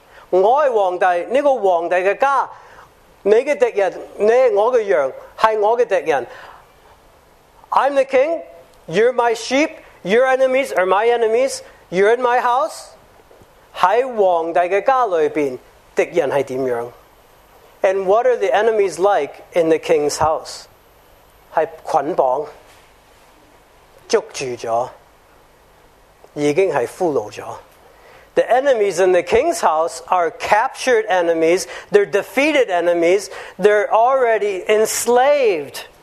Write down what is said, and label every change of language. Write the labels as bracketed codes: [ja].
[zh] 我是皇帝，这个皇帝的家，你的敌人，你是我的羊，是我的敌人。 [en] I'm the king, you're my sheep, your enemies are my enemies, you're in my house. [zh] 在皇帝的家里面，敌人是怎样？ [en] And what are the enemies like in the king's house? [zh] 是捆绑，捉住了，已经是俘虏了。 [en] The enemies in the king's house are captured enemies, they're defeated enemies, they're already enslaved.